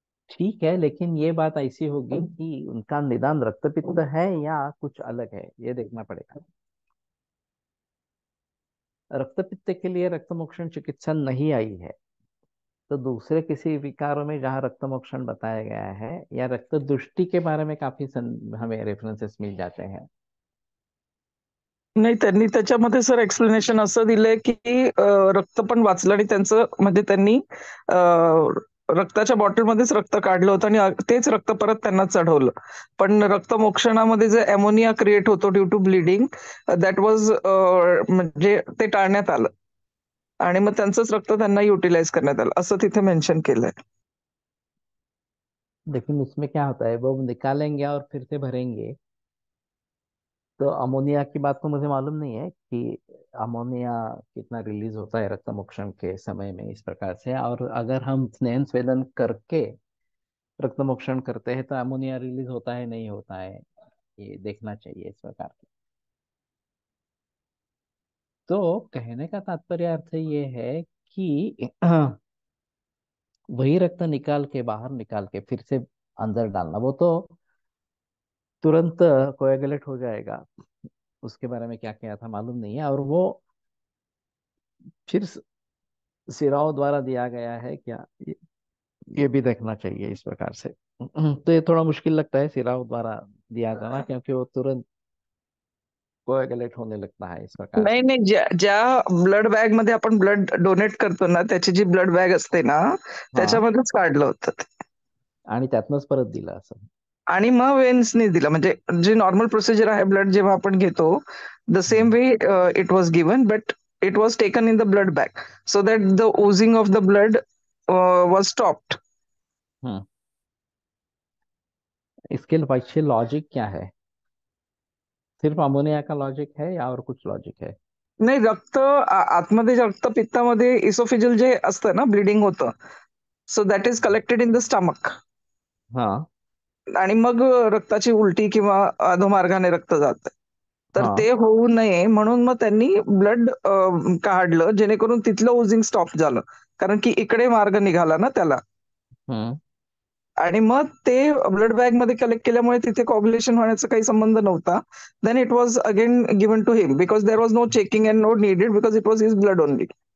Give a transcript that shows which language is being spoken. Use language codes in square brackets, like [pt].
[hi] ठीक है, लेकिन ये बात ऐसी होगी कि उनका निदान रक्तपित्त है या कुछ अलग है, ये देखना पड़ेगा। रक्तपित्त के लिए रक्तमोक्षण चिकित्सा नहीं आई है, तो दूसरे किसी विकारों में जहाँ रक्तमोक्षण बताया गया है, या रक्तदृष्टि के बारे में काफी हमें रेफरेंसेस मिल जाते हैं। [mr] नाही त्यांनी त्याच्यामध्ये सर एक्सप्लेनेशन असं दिलंय की रक्त पण वाचलं आणि त्यांचं म्हणजे त्यांनी रक्ताच्या बॉटलमध्येच रक्त काढलं होतं आणि तेच रक्त परत त्यांना चढवलं. पण रक्तमोक्षणामध्ये जे अमोनिया क्रिएट होतो [en] due to bleeding that was [mr] म्हणजे ते टाळण्यात आलं आणि मग त्यांचंच रक्त त्यांना युटिलाइज करण्यात आलं असं तिथे मेन्शन केलंय. [hi] लेकिन उसमें क्या होता है, वो निकालेंगे और फिर से भरेंगे, तो अमोनिया की बात को मुझे मालूम नहीं है कि अमोनिया कितना रिलीज होता है रक्तमोक्षण के समय में इस प्रकार से, और अगर हम स्नेह स्वेदन करके रक्तमोक्षण करते हैं तो अमोनिया रिलीज होता है नहीं होता है, ये देखना चाहिए इस प्रकार के। तो कहने का तात्पर्य अर्थ ये है कि वही रक्त निकाल के बाहर निकाल के फिर से अंदर डालना, वो तो तुरंत कोएगुलेट हो जाएगा, उसके बारे में क्या कहा था मालूम नहीं है। और वो फिर सिराओं द्वारा दिया गया है क्या, ये भी देखना चाहिए इस प्रकार से। तो ये थोड़ा मुश्किल लगता है सिराओं द्वारा दिया जाना, क्योंकि वो तुरंत कोएगुलेट होने लगता है इस प्रकार [mr] नाही [hi] से। [mr] नाही ज्या ब्लड बॅग मध्ये आपण ब्लड डोनेट करतो ना त्याची जी ब्लड बॅग असते ना हाँ, त्याच्यामध्येच काढलं होतं आणि त्यातनंच परत दिलं असं। आणि मग वेन्सनी दिलं म्हणजे जी नॉर्मल प्रोसिजर आहे ब्लड जेव्हा आपण घेतो [en] The same way it was given but it was taken in the blood bag so that the oozing of the blood was stopped. [hi] इसके पीछे लॉजिक क्या है, सिर्फ अमोनिया का लॉजिक है या और कुछ लॉजिक है? [mr] नाही रक्त आतमध्ये रक्त पित्तामध्ये इसोफिजल जे असतं ना ब्लिडिंग होतं [en] so that is collected in the stomach हाँ [mr] आणि मग रक्ताची उल्टी किंवा अधोमार्गाने रक्त जातं तर ते हाँ होऊ नये म्हणून मग त्यांनी ब्लड काढलं जेणेकरून तिथलं ओझिंग स्टॉप झालं कारण की इकडे मार्ग निघाला ना त्याला आणि मग ते ब्लड बॅग मध्ये कलेक्ट केल्यामुळे तिथे कॉग्युलेशन होण्याचा काही संबंध नव्हता [en] Then it was again given to him because there was no checking and no needed because it was his blood only.